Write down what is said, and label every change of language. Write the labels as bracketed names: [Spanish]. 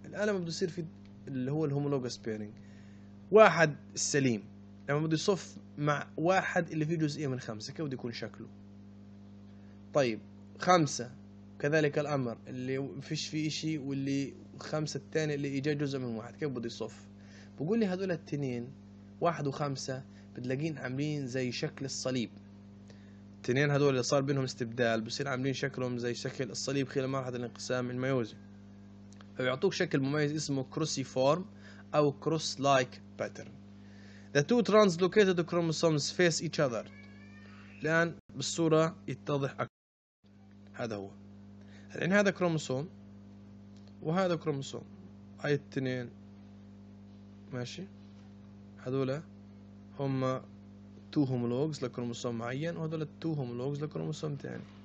[Arabic] الآن لما بده يصير في اللي هو الهومولوجس بيرنج، واحد السليم لما بده يصف مع واحد اللي فيه جزئية من خمسة، كيف بده يكون شكله؟ طيب خمسة كذلك الأمر، اللي فيش فيه إشي واللي خمسة الثاني اللي إجا جزء من واحد، كيف بده يصف؟ بقول لي هذول التنين واحد وخمسة بتلاقين عاملين زي شكل الصليب. التنين هذول اللي صار بينهم استبدال بصير عاملين شكلهم زي شكل الصليب خلال مرحلة الانقسام الميوزي، فبيعطوك شكل مميز اسمه كروسي فورم أو كروس لايك باترن. [English] The two translocated chromosomes face each other. [Arabic] الآن بالصورة يتضح أكثر. هذا هو الآن، هذا كروموسوم وهذا كروموسوم، هاي التنين ماشي، هذولا هم تو هوملوجز لكروموسوم معين، وهذولا تو هوملوجز لكروموسوم تاني.